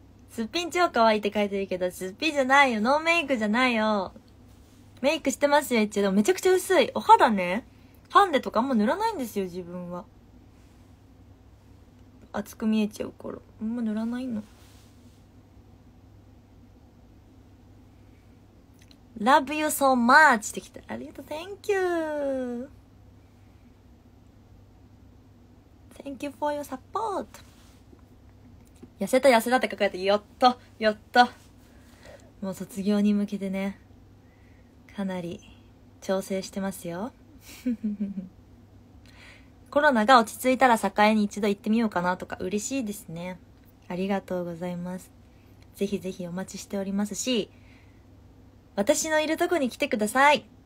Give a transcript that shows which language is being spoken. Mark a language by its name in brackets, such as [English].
[Japanese] すっぴん超可愛いって書いてるけど、すっぴんじゃないよ、ノーメイクじゃないよ、メイクしてますよ一応。でもめちゃくちゃ薄いお肌ね、ファンデとかあんま塗らないんですよ自分は、厚く見えちゃうからあんま塗らないの。 [English] Love you so much [Japanese] ってきた、ありがとう、 [English] Thank you Thank you for your support。 [Japanese] 痩せた痩せたって書かれて、やったやった、もう卒業に向けてねかなり調整してますよ。コロナが落ち着いたら栄に一度行ってみようかなとか、嬉しいですね、ありがとうございます、ぜひぜひお待ちしておりますし、私のいるとこに来てください。